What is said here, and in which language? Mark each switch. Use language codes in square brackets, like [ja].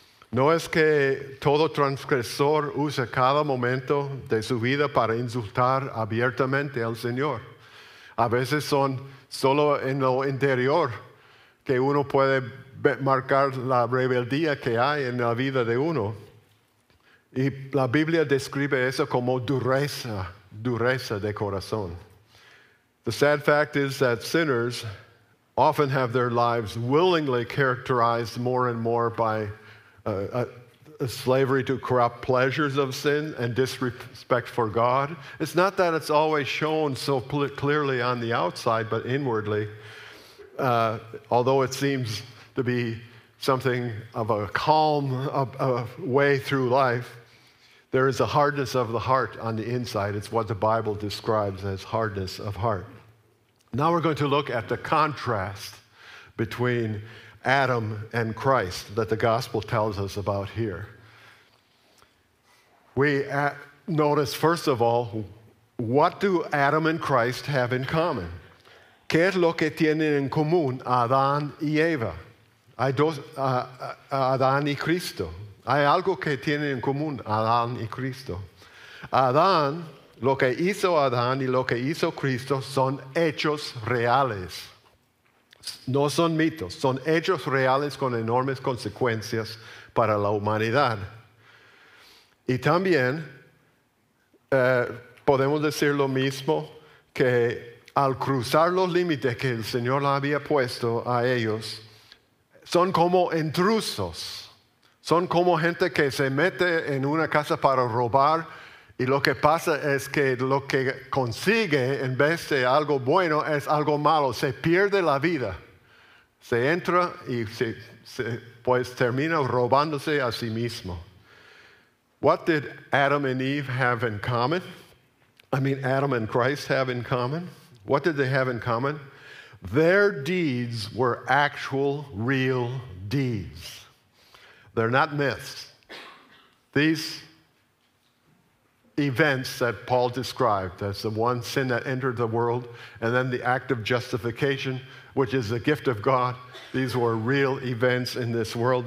[es] No es que todo transgresor use cada momento de su vida para insultar abiertamente al Señor. A veces son solo en lo interior que uno puede marcar la rebeldía que hay en la vida de uno. Y la Biblia describe eso como dureza, dureza de corazón. [en] The sad fact is that sinners often have their lives willingly characterized more and more by a slavery to corrupt pleasures of sin and disrespect for God. It's not that it's always shown so clearly on the outside, but inwardly, although it seems to be something of a calm a way through life, there is a hardness of the heart on the inside. It's what the Bible describes as hardness of heart. Now we're going to look at the contrast between Adam and Christ that the gospel tells us about here. We notice, first of all, what do Adam and Christ have in common? [es] ¿Qué es lo que tienen en común Adán y Eva? Adán y Cristo. Hay algo que tienen en común Adán y Cristo. Adán, lo que hizo Adán y lo que hizo Cristo son hechos reales. No son mitos, son hechos reales con enormes consecuencias para la humanidad. Y también podemos decir lo mismo que al cruzar los límites que el Señor había puesto a ellos, son como intrusos. Son como gente que se mete en una casa para robar Y lo que pasa es que lo que consigue en vez de algo bueno es algo malo. Se pierde la vida. Se entra y se pues termina robándose a sí mismo. [en] What did Adam and Eve have in common? Adam and Christ have in common? What did they have in common? Their deeds were actual, real deeds. They're not myths. These events that Paul described as the one sin that entered the world and then the act of justification, which is the gift of God, these were real events in this world.